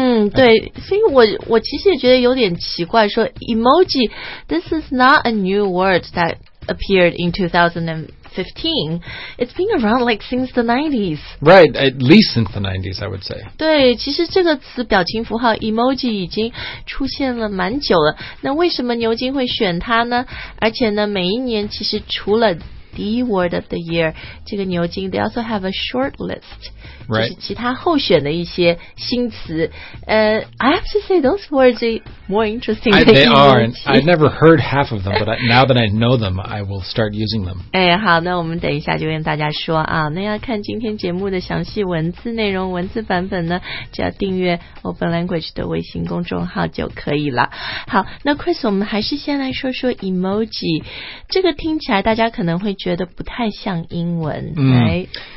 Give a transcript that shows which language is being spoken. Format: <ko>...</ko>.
<zh>对，所以我其实也觉得有点奇怪，说</zh> <en>emoji, this is not a new word that appeared in 2015. It's been around like since the 90s. Right, at least since the 90s, I would say.</en> <zh>对，其实这个词表情符号 emoji 已经出现了蛮久了。那为什么牛津会选它呢？而且呢，每一年其实除了The word of the year, 这个牛津</zh> <en>they also have a short list. Right.</en> <zh>就是其他候选的一些新词。</zh> <en>I have to say those words are more interesting than they are. I never heard half of them, but now that I know them, I will start using them.</en> <zh>哎，好，那我们等一下就跟大家说啊。那要看今天节目的详细文字内容、文字版本呢，就要订阅 Open Language 的微信公众号就可以了。好，那 Chris, 我们还是先来说说 emoji。这个听起来大家可能会觉得不太像英文、right?</zh>